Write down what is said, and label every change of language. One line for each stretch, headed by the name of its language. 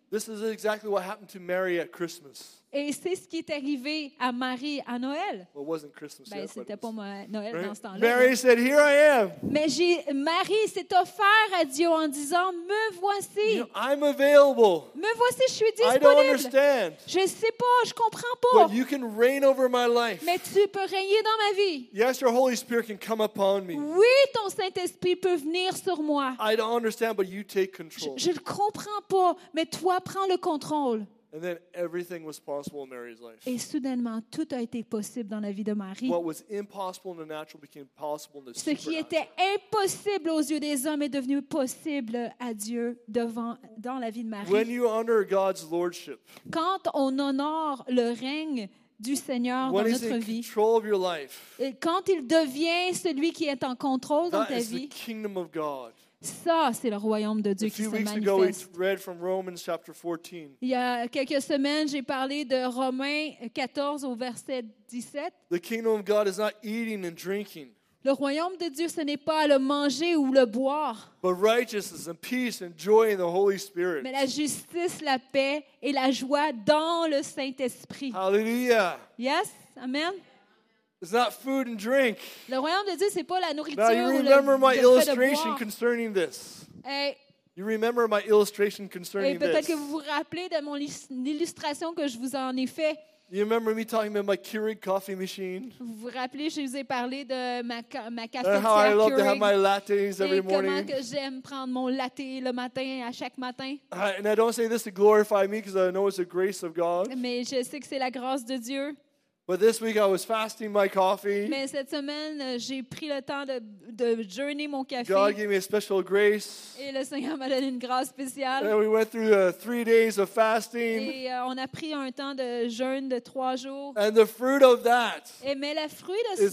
English: This is exactly what happened to Mary at Christmas.
French: Et c'est ce qui est arrivé à Marie à Noël.
English: Well, it wasn't Christmas
French: ben,
English: yet,
French: c'était pas Noël
English: right?
French: dans ce temps-là.
English: Mary said, "Here I am."
French: Mais Marie s'est offerte à Dieu en disant, "Me voici."
English: You know, I'm available.
French: Me voici, je suis disponible.
English: I don't understand.
French: Je sais pas, je comprends pas.
English: But you can reign over my life.
French: Mais tu peux régner dans ma vie.
English: Yes, your Holy Spirit can come upon me.
French: Oui, ton Saint-Esprit peut venir sur moi.
English: I don't understand, but you take control.
French: Je ne comprends pas, mais toi prends le contrôle.
English: And then everything was possible in Mary's life.
French: Et soudainement, tout a été possible dans la vie de Marie.
English: What was impossible in the natural became possible in the supernatural.
French: Ce qui était impossible aux yeux des hommes est devenu possible à Dieu dans la vie de Marie.
English: When you honor God's lordship.
French: Quand on honore le règne du Seigneur
English: when
French: dans notre
English: in
French: vie.
English: Control of your life.
French: Et quand il devient celui qui est en contrôle dans ta vie.
English: That is the kingdom of God.
French: Ça, c'est le royaume de Dieu qui se manifeste.
English: Ago, we read from Romans chapter 14.
French: Il y a quelques semaines, j'ai parlé de Romains 14 au verset 17.
English: The kingdom of God is not eating and drinking.
French: Le royaume de Dieu, ce n'est pas le manger ou le boire.
English: But righteousness and peace and joy in the Holy Spirit.
French: Mais la justice, la paix et la joie dans le Saint-Esprit. Hallelujah.
English: Yes, amen. It's not food and drink.
French: Le royaume de Dieu, c'est pas la nourriture.
English: Now you remember my illustration concerning this. Hey. You remember my illustration concerning this.
French: Et peut-être que vous vous rappelez de mon illustration que je vous en ai fait.
English: You remember me talking about my Keurig coffee machine?
French: Vous vous rappelez, je vous ai parlé de ma cafetière
English: Keurig. How I love
French: Keurig.
English: To have my lattes every morning.
French: Et comment que j'aime prendre mon latte le matin à chaque matin.
English: And I don't say this to glorify me because I know it's the grace of God.
French: Mais je sais que c'est la grâce de Dieu.
English: But this week I was fasting my coffee.
French: Mais cette semaine, j'ai pris le temps de jeûner mon café.
English: God gave me a special grace.
French: Et le Seigneur m'a donné une grâce spéciale.
English: And we went through 3 days of fasting.
French: Et on a pris un temps de jeûne de 3 jours.
English: And the fruit of that.
French: Et mais le fruit de
English: is